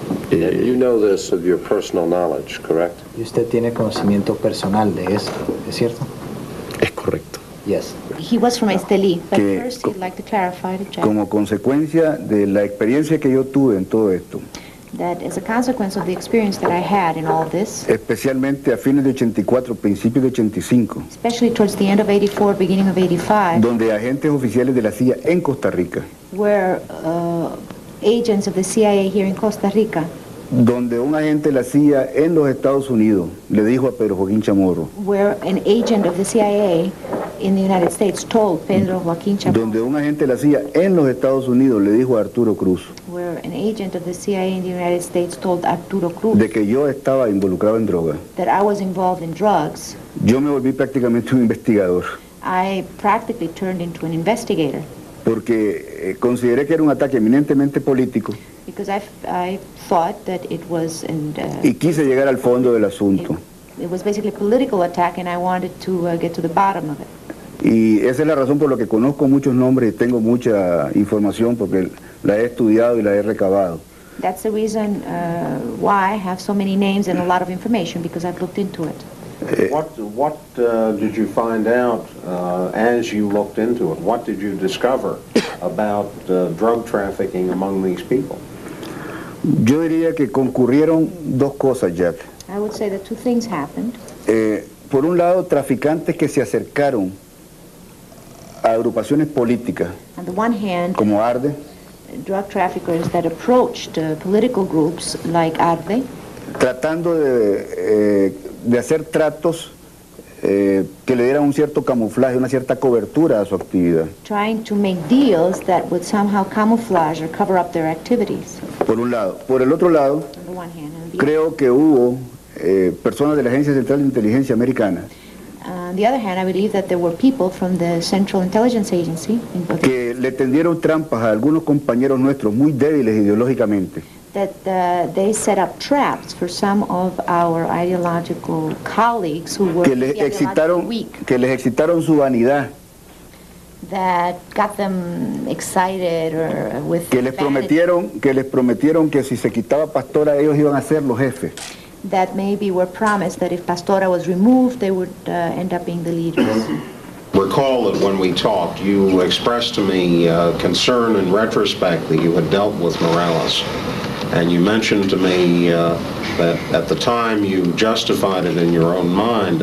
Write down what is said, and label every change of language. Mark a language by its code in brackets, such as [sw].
[en] You know this of your personal knowledge, correct? [es] Y usted tiene conocimiento personal de esto, ¿es cierto? Es correcto. [en] Yes. He was from Estelí, but que, first he'd like to clarify to Jack. [es] Como consecuencia de la experiencia que yo tuve en todo esto. [en] that as a consequence of the experience that I had in all this, [es] especialmente a fines de 84, principios de 85, [en] especially towards the end of 84, beginning of 85, [es] donde agentes oficiales de la CIA en Costa Rica, [en] where agents of the CIA here in Costa Rica, [es] donde un agente de la CIA en los Estados Unidos le dijo a Pedro Joaquín Chamorro, [en] where an agent of the CIA in the United States told Pedro Joaquín Chamorro, [es] donde un agente de la CIA en los Estados Unidos le dijo a Arturo Cruz, [en] where an agent of the CIA in the United States told Arturo Cruz, [es] de que yo estaba involucrado en droga, [en] that I was involved in drugs, [es] yo me volví prácticamente un investigador. [en] I practically turned into an investigator. [es] Porque consideré que era un ataque eminentemente político. [en] Because I thought that it was, and, [es] y quise llegar al fondo del asunto. [en] It was basically a political attack, and I wanted to get to the bottom of it. [es] Y esa es la razón por la que conozco muchos nombres y tengo mucha información, porque la he estudiado y la he recabado. [en] That's the reason why I have so many names and a lot of information, because I've looked into it. What did you find out as you looked into it? What did you discover about drug trafficking among these people? [es] Yo diría que concurrieron dos cosas, Jack. [en] I would say that two things happened. [es] Por un lado, traficantes que se acercaron a agrupaciones políticas. [en] On the one hand, [es] como ARDE, [en] drug traffickers that approached political groups like ARDE, [es] tratando de hacer tratos que le dieran un cierto camuflaje, una cierta cobertura a su actividad. [en] Trying to make deals that would somehow camouflage or cover up their activities. [es] Por un lado. Por el otro lado, [en] on the one hand, [es] creo que hubo personas de la Agencia Central de Inteligencia Americana. [en] On the other hand, I believe that there were people from the Central Intelligence Agency in [es] both, que le tendieron trampas a algunos compañeros nuestros muy débiles ideológicamente. [en] That they set up traps for some of our ideological colleagues who were weak. [es] Que les excitaron su vanidad. [en] That got them excited or with [es] que les prometieron vanity. Que les prometieron que si se quitaba Pastora ellos iban a ser los jefes. [en] That maybe were promised that if Pastora was removed they would end up being the leaders. Recall that when we talked, you expressed to me concern in retrospect that you had dealt with Morales. And you mentioned to me that at the time you justified it in your own mind.